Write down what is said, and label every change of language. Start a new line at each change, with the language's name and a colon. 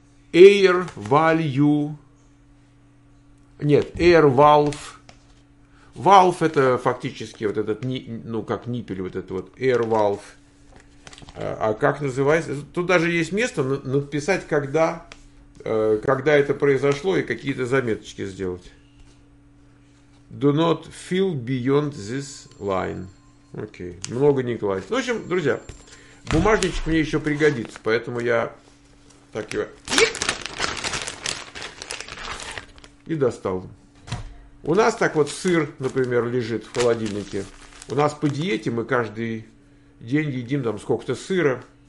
English: Air Value.
Russian: Нет,
English: Air Valve.
Russian: Valve это фактически вот этот, ну как ниппель, вот этот вот Air Valve. А как называется? Тут даже есть место написать, когда, когда это произошло и какие-то заметочки сделать.
English: Do not feel beyond this line.
Russian: Окей. Много не класть. В общем, друзья, бумажничек мне еще пригодится, поэтому я так его и достал. У нас так вот сыр, например, лежит в холодильнике. У нас по диете мы каждый день едим там сколько-то сыра.